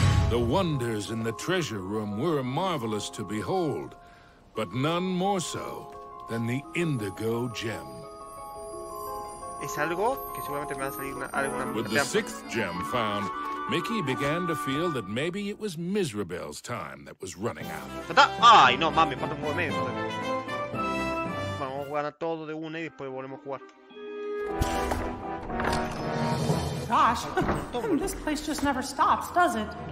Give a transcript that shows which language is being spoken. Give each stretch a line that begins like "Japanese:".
English: The wonders in the treasure room were marvelous to behold, but none more so than the indigo gem.
Spanish: Es algo que seguramente me va a salir alguna...
English: With the sixth gem found, Mickey began to feel that maybe it was Miserable's time that was running out.
Spanish: ¡Ay, no, mami! Falta un juego de medio. Bueno, vamos a jugar a todo de una y después volvemos a jugar.
English: Gosh, this place just never stops, does it?